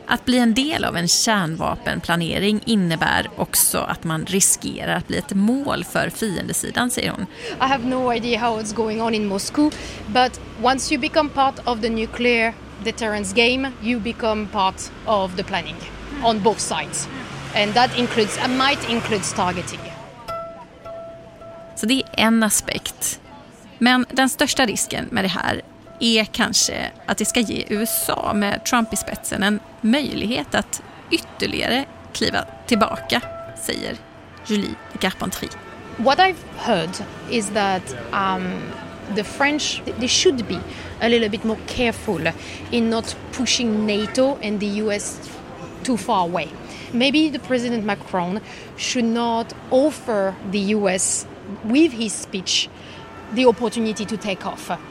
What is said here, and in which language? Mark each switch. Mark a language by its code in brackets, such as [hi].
[sv] Att bli en del av en kärnvapenplanering innebär också att man riskerar att bli ett mål för fiendesidan, säger hon. [en] I have no idea how it's going on in Moscow, but once you become part of the nuclear deterrence game, you become part of the planning on both sides. And that includes, might include targeting. [sv] Så det är en aspekt. Men den största risken med det här är kanske att det ska ge USA med Trump i spetsen en möjlighet att ytterligare kliva tillbaka, säger Julie de Carpentrie. [en] What I've heard is that the French, they should be a little bit more careful in not pushing NATO and the US too far away. Maybe the President Macron should not offer the US with his speech the opportunity to take off.